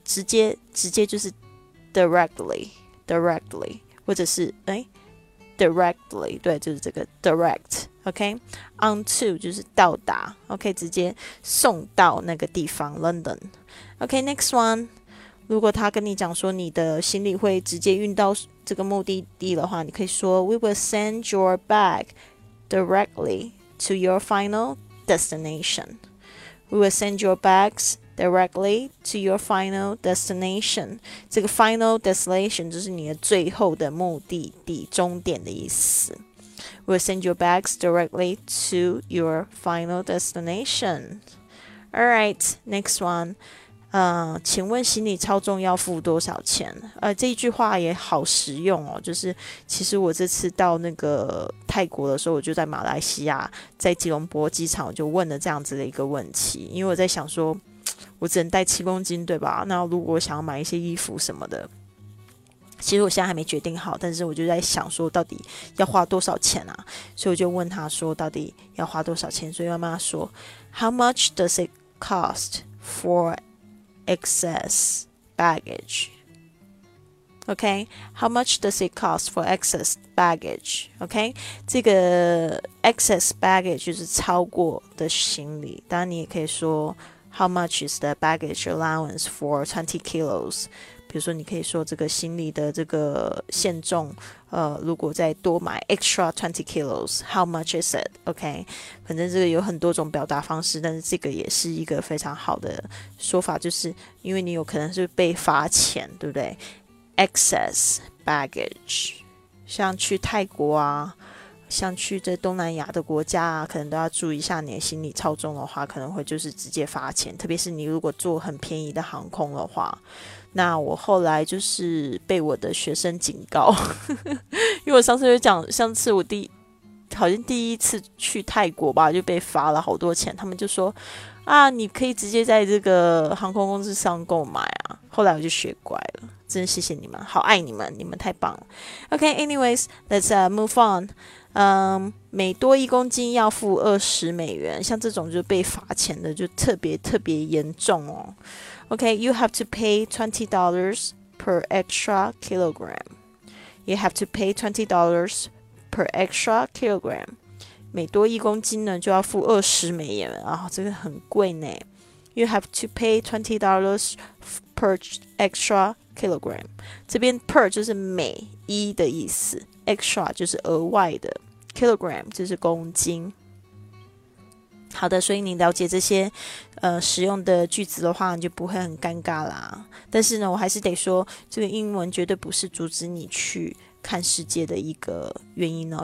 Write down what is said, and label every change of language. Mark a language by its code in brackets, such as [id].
[zh] 直接就是 directly， 或者是directly， 对，就是这个 direct， OK， onto 就是到达， OK， 直接送到那个地方 London， OK， [en] next one， [zh] 如果他跟你讲说你的行李会直接运到这个目的地的话，你可以说 [en] We will send your bag directly to your final destination。 We will send your bags directly to your final destination. [zh] 这个 final destination 就是你的最后的目的地，终点的意思。 [en] We will send your bags directly to your final destination. Alright, next one. [zh] 请问行李超重要付多少钱？这一句话也好实用哦，就是其实我这次到那个泰国的时候，我就在马来西亚在吉隆坡机场，我就问了这样子的一个问题。因为我在想说我只能带7公斤，对吧？那如果我想要买一些衣服什么的，其实我现在还没决定好，但是我就在想说到底要花多少钱啊，所以我就问他说到底要花多少钱。所以我妈妈说 [en] How much does it cost for excess baggage? OK, how much does it cost for excess baggage? [zh] OK, 这个 excess baggage 就是超过的行李。当然你也可以说 [en] How much is the baggage allowance for 20 kilos? [zh] 比如说你可以说这个行李的这个限重，如果再多买 [en] extra 20 kilos, how much is it? [zh] OK, 反正这个有很多种表达方式，但是这个也是一个非常好的说法，就是因为你有可能是被罚钱，对不对？ Excess baggage, 像去泰国啊，像去这东南亚的国家啊，可能都要注意一下，你的行李超重的话可能会就是直接罚钱，特别是你如果坐很便宜的航空的话。那我后来就是被我的学生警告，因为我上次我好像第一次去泰国吧，就被罚了好多钱。他们就说啊，你可以直接在这个航空公司上购买啊，后来我就学乖了，真谢谢你们，好爱你们，你们太棒了。 [en] OK, anyways, let's move on。 [zh] 每多一公斤要付$20，像这种就被罚钱的就特别特别严重哦。 [en] OK, you have to pay $20 per extra kilogram. You have to pay $20 per extra kilogram. [zh] 每多一公斤呢就要付$20啊，这个很贵呢。 [en] You have to pay $20 per extra kilogram. [zh] 这边 per 就是每一的意思， extra 就是额外的， kilogram 就是公斤。好的，所以你了解这些使用的句子的话，你就不会很尴尬啦。但是呢，我还是得说，这个英文绝对不是阻止你去看世界的一个原因哦。